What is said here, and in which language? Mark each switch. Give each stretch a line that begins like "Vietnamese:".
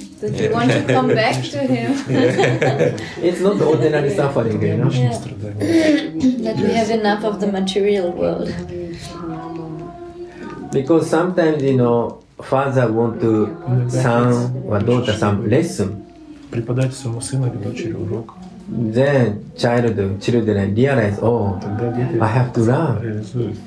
English: That you want to come back to him. It's not ordinary suffering, you know. Yeah. That we have enough of the material world. Because sometimes, you know, father want to son or daughter some lesson.
Russian: Преподать своему сыну или дочери урок.
English: Then children realize, oh, I have to learn.